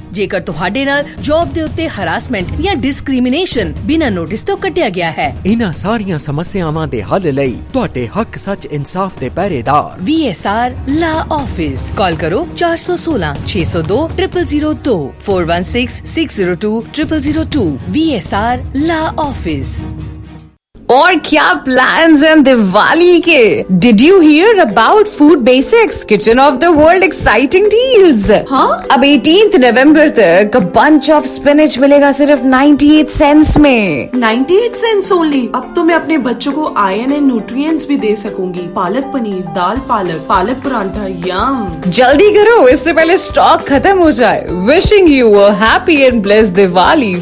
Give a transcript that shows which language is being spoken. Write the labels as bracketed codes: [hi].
[pa] ਜੇਕਰ ਤੁਹਾਡੇ ਨਾਲ ਜੌਬ ਦੇ ਉੱਤੇ ਹਰਾਸਮੈਂਟ ਜਾਂ ਡਿਸਕ੍ਰਿਮੀਨੇਸ਼ਨ ਬਿਨਾਂ ਨੋਟਿਸ ਤੋਂ ਕੱਟਿਆ ਗਿਆ ਹੈ ਇਹਨਾਂ ਸਾਰੀਆਂ ਸਮੱਸਿਆਵਾਂ ਦੇ ਹੱਲ ਲਈ ਤੁਹਾਡੇ ਹੱਕ ਸੱਚ ਇਨਸਾਫ ਦੇ ਪਹਿਰੇਦਾਰ VSR ਲਾ ਆਫਿਸ ਕਾਲ ਕਰੋ 416-602-0002 416-602-0002 VSR Law Office. [ur] اور کیا پلانز ہیں دیوالی کے؟ [en] Did you hear about Food Basics kitchen of the world exciting deals? [ur] ہاں اب 18 نومبر تک بنچ آف اسپینچ ملے گا صرف 98 سینٹس میں. [en] 98 cents only? [ur] اب تو میں اپنے بچوں کو آئرن اینڈ نیوٹریئنٹس بھی دے سکوں گی. پالک پنیر, دال پالک, پالک پراٹھا, یم. جلدی کرو اس سے پہلے اسٹاک ختم ہو جائے. [en] Wishing you a happy and bless Diwali.